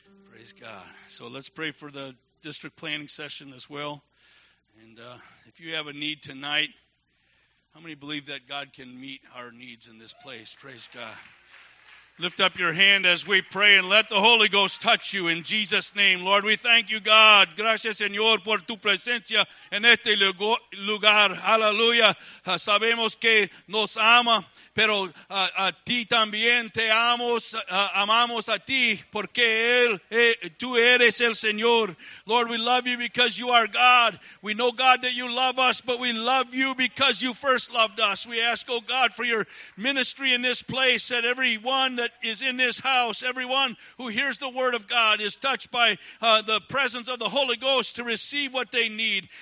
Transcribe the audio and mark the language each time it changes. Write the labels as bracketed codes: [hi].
[en] Praise God. So let's pray for the district planning session as well. And if you have a need tonight, how many believe that God can meet our needs in this place? Praise God. Lift up your hand as we pray and let the Holy Ghost touch you in Jesus' name. Lord, we thank you, God. [es] Gracias, Señor, por tu presencia en este lugar. Hallelujah. Sabemos que nos ama, pero a ti también te amamos a ti porque tú eres el Señor. [en] Lord, we love you because you are God. We know, God, that you love us, but we love you because you first loved us. We ask, oh God, for your ministry in this place, that everyone that is in this house, everyone who hears the word of God is touched by the presence of the Holy Ghost to receive what they need.